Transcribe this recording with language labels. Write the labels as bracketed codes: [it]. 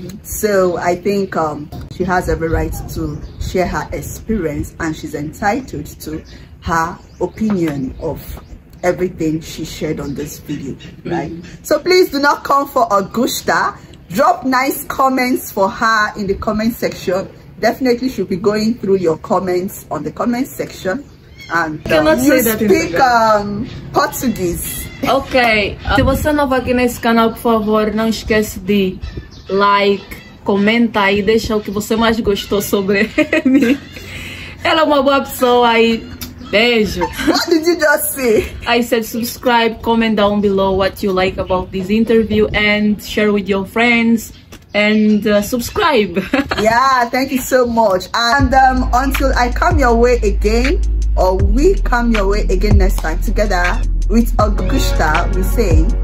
[en] So I think she has every right to share her experience, and she's entitled to her opinion of everything she shared on this video, right? So please do not come for Augusta. Drop nice comments for her in the comment section. Definitely should be going through your comments on the comment section. And you speak Portuguese. Okay. [pt] Se você é novo aqui nesse canal, por favor, não esquece de like, comentar e deixar o que você mais gostou sobre mim. Ela é uma boa pessoa aí. Beijo. [en] What did you just say? I said subscribe, comment down below what you like about this interview, and share with your friends, and subscribe. Yeah, thank you so much. And until I come your way again, or we come your way again next time together with Augusta, we say